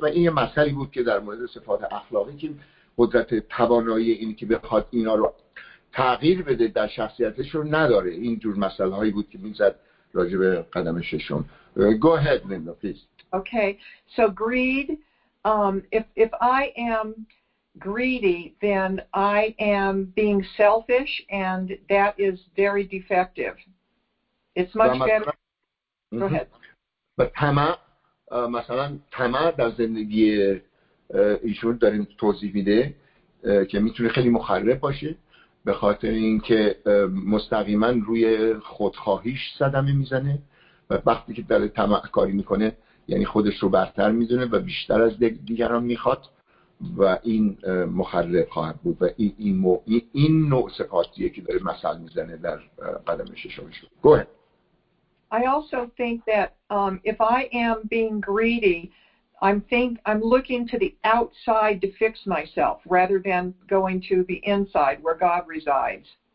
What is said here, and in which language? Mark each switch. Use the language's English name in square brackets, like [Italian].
[Persian] و این یه مسئله بود که در مورد صفات اخلاقی که قدرت توانایی این که بخواد اینا رو تغییر بده در شخصیتش رو نداره، این جور مسئله هایی بود که میزد راجع به قدم ششم. [English] Go ahead, Linda, please. Okay, so greed, if I am greedy, then I am being selfish, and that is very defective. It's much better. Go ahead. [Persian] و طمع، مثلا طمع در زندگی ایشون داریم توضیح میده که میتونه خیلی مخرب باشه، به خاطر اینکه مستقیما روی خودخواهیش صدمه میزنه، و وقتی که داره طمع کاری میکنه، یعنی خودش رو برتر میدونه و بیشتر از دیگران میخواد، و این مخرب خواهد بود. و این نوع صفاتیه که داره مثال میزنه در قدم ششمش. [English] Go ahead. I also think that if I am being greedy, I'm looking to the outside to fix myself rather than going to the inside where God resides.